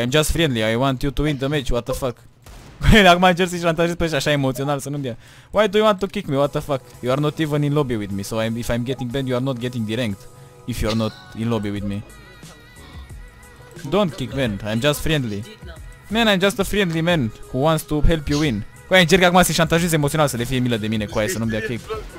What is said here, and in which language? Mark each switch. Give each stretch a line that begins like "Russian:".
English: I'm just friendly, I want you to win the match, what the fuck?
Romanian: Acum încerc să-și rantajez pe ăștia așa emoțional să nu-mi dea.
English: Why do you want to kick me, what the fuck? You are not even in lobby with me, so if I'm getting banned, you are not getting deranked. If you are not in lobby with me. Don't kick, man, I'm just friendly. Man, I'm just a friendly man who wants to help you win.
Romanian: Coaie, încerc acum să-și rantajez emoțional să le fie milă de mine, coaie, să nu-mi dea kick.